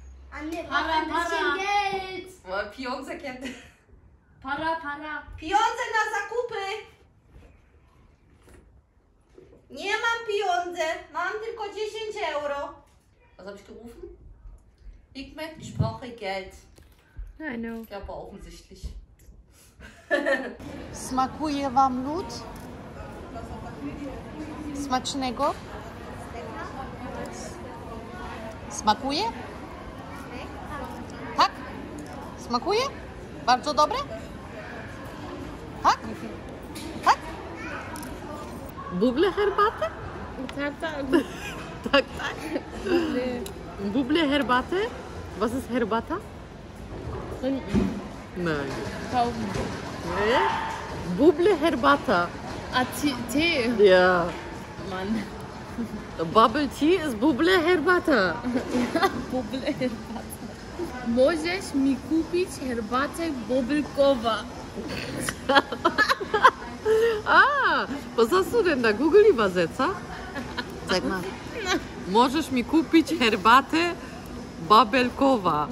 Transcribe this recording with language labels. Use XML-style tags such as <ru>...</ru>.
<pl>A nie,</pl> <tr>para, para.</tr> <pl>Pieniądze kiedy?</pl> <tr>Para, para.</tr> <pl>Pieniądze na zakupy! Nie mam pieniądze, mam tylko 10 euro.</pl> <de>Was hab ich gerufen? Hikmet, ich brauche Geld.</de> <en>I know.</en> <de>Ja, aber offensichtlich.</de> <pl>Smakuje wam lód? Smacznego? Smakuje? Tak? Smakuje? Bardzo dobre? Tak? Tak? W ogóle herbatę? Tak, tak. Tak, tak. W ogóle herbatę?</pl> <de>Was ist herbata? Nein. Kaum. Nee? Bubble Herbata. Ah, Tee? Ja. Mann. Bubble Tee ist Bubble Herbata.</de> <pl>Bubble Herbata. Możesz mi kupić Herbatę Bobelkowa.</pl> <de>Ah, was hast du denn da? Google Übersetzer? Sag mal.</de> <pl>Możesz mi kupić Herbatę Bobelkowa.</pl>